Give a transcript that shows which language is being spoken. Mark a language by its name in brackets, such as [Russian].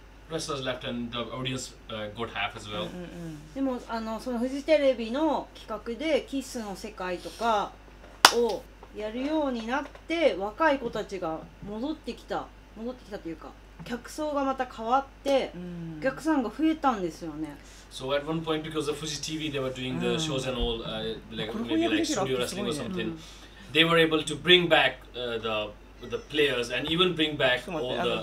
[English] wrestlers left and the audience got half as well。 [Japanese] でもあのそのフジテレビの企画でキスの世界とかをやるようになって若い子たちが戻ってきたというか。客層がまた変わって、お客さんが増えたんですよね。 [English] So at one point, because of Fuji TV, they were doing the shows and all, like maybe like studio wrestling or something. They were able to bring back the players and even bring back all the.